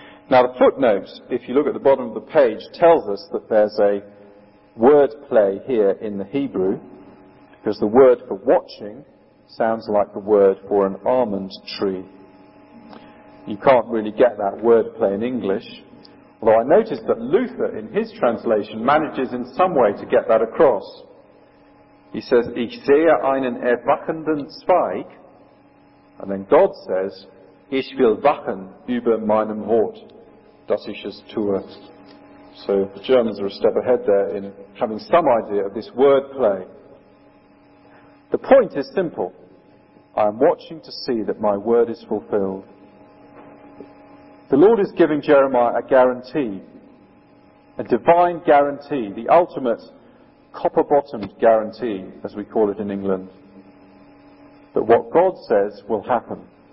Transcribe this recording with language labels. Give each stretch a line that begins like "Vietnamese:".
English: Now the footnote, if you look at the bottom of the page, tells us that there's a word play here in the Hebrew, because the word for watching sounds like the word for an almond tree. You can't really get that word play in English, although I noticed that Luther, in his translation, manages in some way to get that across. He says,
German: Ich sehe einen erwachenden Zweig,
English: and then God says,
German: Ich will wachen über meinem Wort, das ich es tue.
English: So the Germans are a step ahead there in having some idea of this word play. The point is simple. I am watching to see that my word is fulfilled. The Lord is giving Jeremiah a guarantee, a divine guarantee, the ultimate copper-bottomed guarantee, as we call it in England, that what God says will happen.